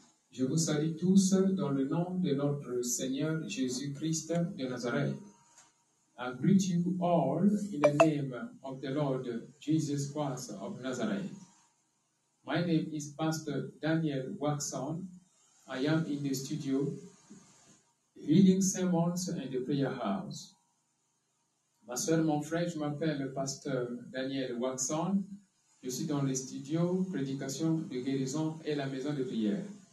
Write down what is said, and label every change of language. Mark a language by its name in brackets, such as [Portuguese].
[French] Je vous salue tous dans le nom de notre Seigneur Jésus-Christ de Nazareth. [English] I greet you all in the name of the Lord Jesus Christ of Nazareth. My name is Pastor Daniel Waxon. I am in the studio, healing sermons and the prayer house. [French] Ma soeur, mon frère, je m'appelle le pasteur Daniel Waxon. Je suis dans les studios, prédication de guérison et la maison de prière.